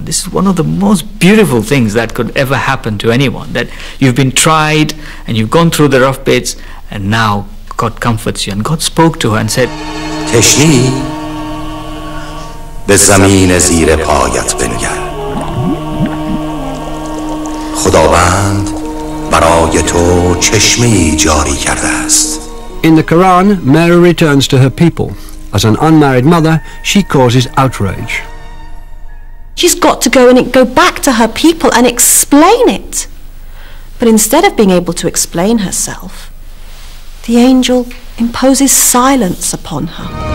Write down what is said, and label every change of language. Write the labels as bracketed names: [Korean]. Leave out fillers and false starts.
[English] This is one of the most beautiful things that could ever happen to anyone, that you've been tried and you've gone through the rough bits and now God comforts you. And God spoke to her and said, [Persian] تشنی به زمین زیر پایت بنگر، خداوند برای تو چشمی جاری کرده است. [English] In the Quran, Mary returns to her people. As an unmarried mother, she causes outrage. She's got to go back to her people and explain it. But instead of being able to explain herself, the angel imposes silence upon her.